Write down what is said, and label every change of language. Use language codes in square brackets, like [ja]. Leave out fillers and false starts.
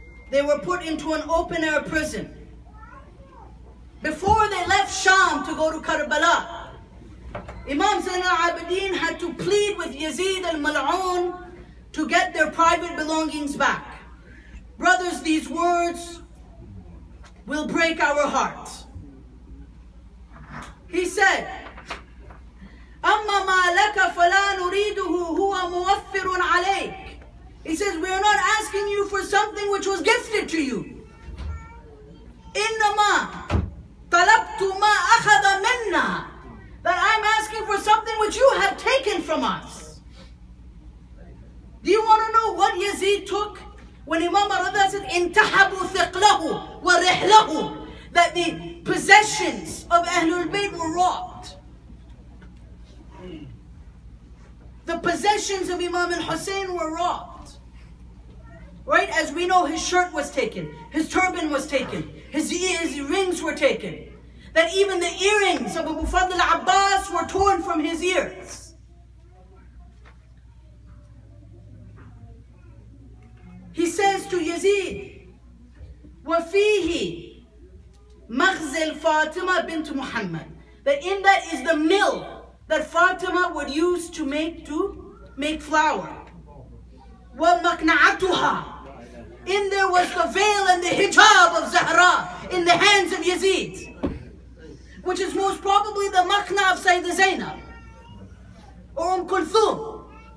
[en] They were put into an open-air prison. Before they left Sham to go to Karbala, Imam Zain al-Abidin had to plead with Yazid al-Mal'un to get their private belongings back. Brothers, these words will break our hearts. He said, [ar] أَمَّا مَا لَكَ فَلَا نُرِيدُهُ هُوَ مُوَفِّرٌ عَلَيْكَ. [en] He says, we are not asking you for something which was gifted to you. [ar] إِنَّمَا طَلَبْتُ مَا أَخَذَ مِنَّا. [en] That I'm asking for something which you have taken from us. Do you want to know what Yazid took? When Imam Arada said, [ar] إِنْتَحَبُوا ثِقْلَهُ وَرِحْلَهُ. [en] That the possessions of Ahlul Bayt were robbed. The possessions of Imam al-Hussein were robbed. Right, as we know, his shirt was taken, his turban was taken, his rings were taken. That even the earrings of Abu Fadl al-Abbas were torn from his ears. He says to Yazid, [ar] وَفِيهِ مَغْزِلْ فَاطِمَةَ بِنْتُ مُحَمَّدٍ. [en] That in that is the mill that Fatima would use to make flour. [ar] وَمَقْنَعَتُهَا. [en] In there was the veil and the hijab of Zahra in the hands of Yazid, which is most probably the makna of Sayyidina Zainab or Kulthum.